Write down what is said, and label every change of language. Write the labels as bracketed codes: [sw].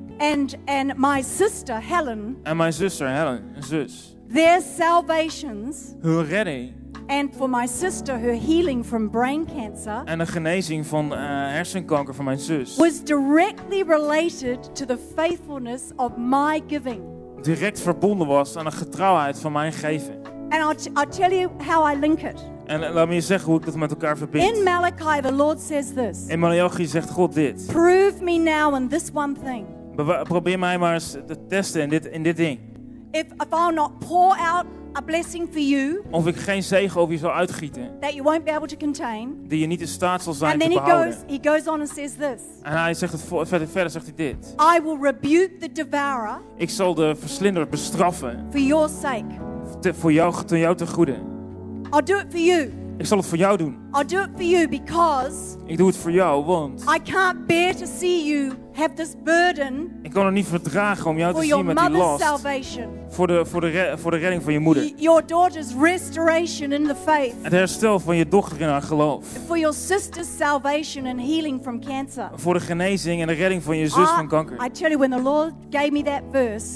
[en] And my sister Helen. [nl] En mijn zuster Helen, een zus. [en] Their salvations, [nl] hun redding, [en] and for my sister, her healing from brain cancer, [nl] en de genezing van hersenkanker van mijn zus, [en] was directly related to the faithfulness of my giving. [nl] Direct verbonden was aan de getrouwheid van mijn geven. [en] And I'll tell you how I link it. [nl] En laat me je zeggen hoe ik dat met elkaar verbind. [en] In Malachi, the Lord says this. [nl] In Malachi zegt God dit. [en] Prove me now in this one thing. [nl] Probeer mij maar eens te testen in dit ding. [en] If I'll not pour out a blessing for you, [nl] of ik geen zegen over je zal uitgieten, [en] that you won't be able to contain, [nl] die je niet in staat zal zijn [en] and then [nl] te behouden. [en] He goes on and says this. [nl] En hij zegt het verder zegt hij dit. [en] I will rebuke the devourer. [nl] Ik zal de verslinder bestraffen. [en] For your sake. [nl] Voor jou ten goede. [en] I'll do it for you. [nl] Ik zal het voor jou doen. [en] I'll do it for you because. [nl] Ik doe het voor jou, want. [en] I can't bear to see you have this burden. [nl] Ik kan het niet verdragen om jou te zien met die last. [en] Salvation. [nl] Voor de redding van je moeder. [en] Your daughter's restoration in the faith. [nl] Het herstel van je dochter in haar geloof. [en] For your sister's salvation and healing from cancer. [nl] Voor de genezing en de redding van je zus van kanker. [en] I tell you, when the Lord gave me that verse,